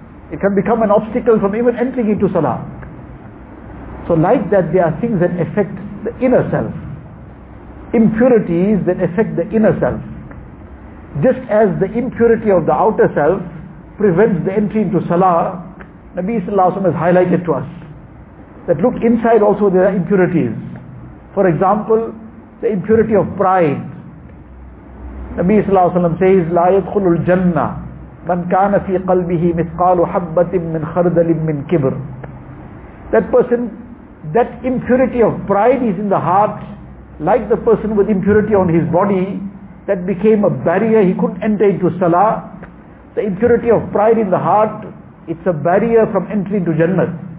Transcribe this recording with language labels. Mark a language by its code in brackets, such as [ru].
[en] It can become an obstacle from even entering into salah. So like that, there are things that affect the inner self. Impurities that affect the inner self. just as the impurity of the outer self prevents the entry into Salah, Nabi Sallallahu Alaihi Wasallam has highlighted to us that look, inside also there are impurities. For example, the impurity of pride. Nabi Sallallahu Alaihi Wasallam says, [ar] لا يدخل الجنة من كان في قلبه مثقال حبة من خردل من كبر. [en] That person, that impurity of pride is in the heart, like the person with impurity on his body, that became a barrier, he couldn't enter into Salah. The impurity of pride in the heart, it's a barrier from entry into Jannah.